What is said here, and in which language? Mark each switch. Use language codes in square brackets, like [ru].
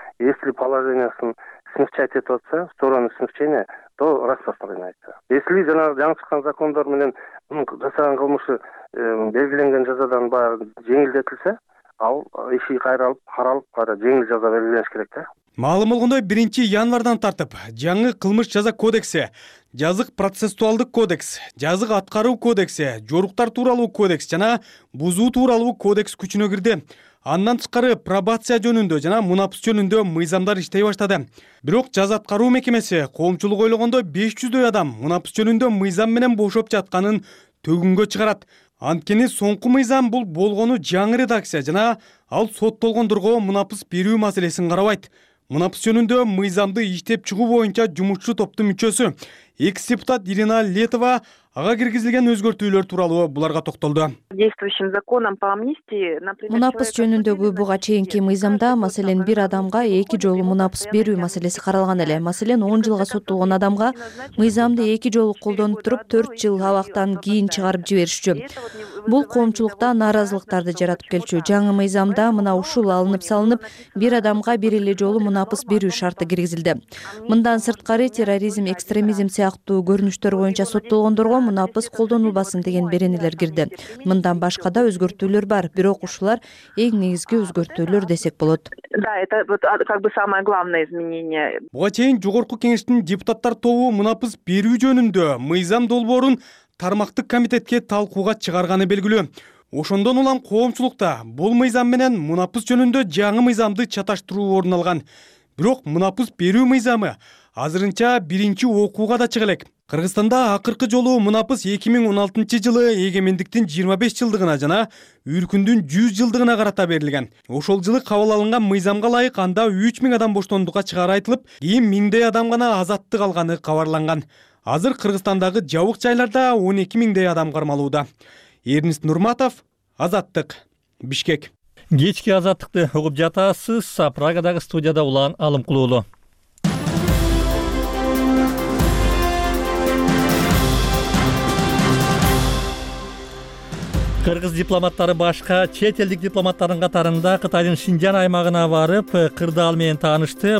[ru] Если [ky] положениясын [ru] смягчает [ky] деп атса, [ru] в сторону смягчения, то распространяется. Если [ky] жаңы чыккан закондор менен жасаган кылмышы белгиленген жазадан баары жеңилдетилсе, ал иши кайралып, каралып, жеңил жаза белгилениш керек да. Маалым болгондой, 1-январдан тартып жаңы кылмыш жаза кодекси, жазык процессуалдык кодекс, жазык аткаруу кодекси, жоруктар тууралуу кодекс жана бузуу тууралуу кодекс күчүнө кирди. Андан тышкары пробация жөнүндө жана мунапыс жөнүндө мыйзамдар иштей баштады. Бирок жаза аткаруу мекемеси коомчулук ойлогондой 500 адам мунапыс жөнүндө мыйзам менен бошоп жатканын төгүнгө чыгарат. Анткени соңку мыйзам бул болгону жаңы редакция жана ал соттолгондорго мунапыс берүү маселесин карабайт. Мунапыс жөнүндө мыйзамды иштеп чыгуу боюнча жумушчу топтун мүчөсү экс-депутат Ирина Летова ага киргизилген өзгөртүүлөр тууралуу буларга токтолду. [ru] Действующим законом по амнистии, например, [ky] мунапыс жөнүндөгү буга чейинки мыйзамда, маселен, бир адамга 2 жолу мунапыс берүү маселеси каралган эле. Маселен, 10 жылга соттолгон адамга мыйзамды 2 жолу колдонуп туруп 4 жыл абактан кийин чыгарып жиберишчү. Бул коомчулукта нааразылыктарды жаратып келчү. Жаңы мыйзамда мына ушул алынып салынып, бир адамга бир эле жолу мунапыс берүү шарты киргизилди. Мындан сырткары терроризм, экстремизм сыяктуу көрүнүштөр боюнча соттолгондорго мунапыс колдонулбасын деген беренелер кирди. Мындан башка да өзгөртүүлөр бар, бирок ушулар эң негизги өзгөртүүлөр десек болот. [ru] Да, это вот как бы самое главное изменение. [ky] Буга чейин жогорку кеңештин депутаттар тобу мунапыс берүү жөнүндө мыйзам долбоорун тармактык комитетке талкууга чыгарганы белгилүү. Ошондон улам коомчулукта бул мыйзам менен мунапыс жөнүндө жаңы мыйзамды чаташтыруу орун алган. Бирок мунапыс берүү мыйзамы азырынча биринчи окууга да чыга элек. Кыргызстанда акыркы жолу мунапыс 2016-жылы эгемендиктин 25 жылдыгына жана үркүндүн 100 жылдыгына карата берилген. Ошол жылы кабыл алынган мыйзамга ылайык анда 3000 адам боштондукка чыгары айтылып, кийин 1000 адам гана азаттык алганы кабарланган. Азыр Кыргызстандагы жабык жайларда 12000 адам кармалууда. Эрнист Нурматов, Азаттык, Бишкек. Кечки Азаттыкты угуп жатасыз, Прагадагы студияда Улан Алымкулуулу. Кыргыз дипломаттары башка чет элдик дипломаттардын катарында Кытайдын Шинжан аймагына барып, кырдаал менен таанышты.